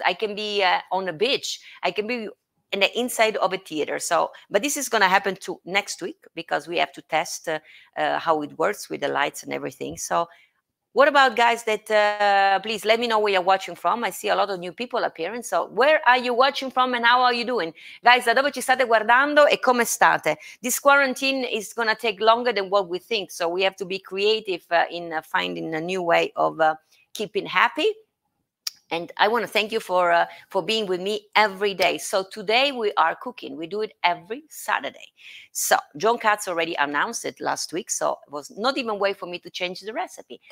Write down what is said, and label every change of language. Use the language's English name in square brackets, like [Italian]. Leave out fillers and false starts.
[English] I can be on a beach. I can be in the inside of a theater. So, but this is gonna happen to next week because we have to test how it works with the lights and everything. So what about guys that, please let me know where you're watching from. I see a lot of new people appearing. So where are you watching from and how are you doing? [Italian] Guys, da dove ci state guardando e come state? [English] This quarantine is gonna take longer than what we think. So we have to be creative in finding a new way of keeping happy. And I want to thank you for being with me every day. So today we are cooking. We do it every Saturday. So John Katz already announced it last week, so it was not even way for me to change the recipe.